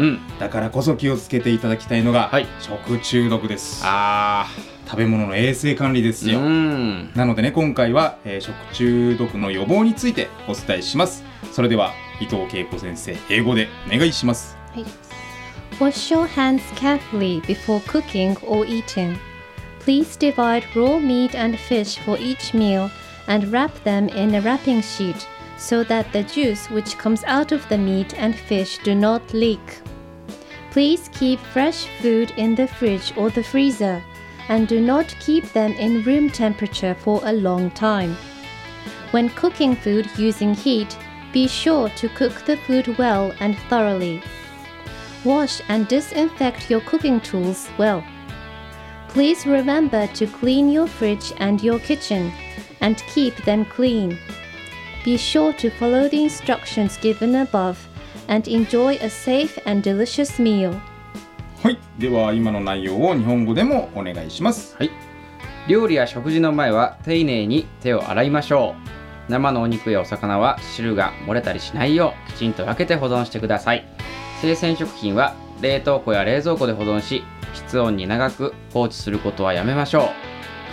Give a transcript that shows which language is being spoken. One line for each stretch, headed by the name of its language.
Japanese: うん、だからこそ気をつけていただきたいのが、はい、食中毒です。あ、食べ物の衛生管理ですよ、うん、なのでね、今回は、食中毒の予防についてお伝えします。それでは伊藤恵子先生、英語でお願いします。はい。
English: Wash your hands carefully before cooking or eating. Please divide raw meat and fish for each meal and wrap them in a wrapping sheet so that the juice which comes out of the meat and fish do not leak. Please keep fresh food in the fridge or the freezer and do not keep them in room temperature for a long time. When cooking food using heat, be sure to cook the food well and thoroughly. Wash and disinfect your cooking tools well. Please remember to clean your fridge and your kitchen, and keep them clean. Be sure to follow the instructions given above, and enjoy a safe and delicious meal.
Japanese: はい、では今の内容を日本語でもお願いします。はい。料理や食事の前は丁寧に手を洗いましょう。生のお肉やお魚は汁が漏れたりしないようきちんと分けて保存してください。生鮮食品は冷凍庫や冷蔵庫で保存し、室温に長く放置することはやめましょう。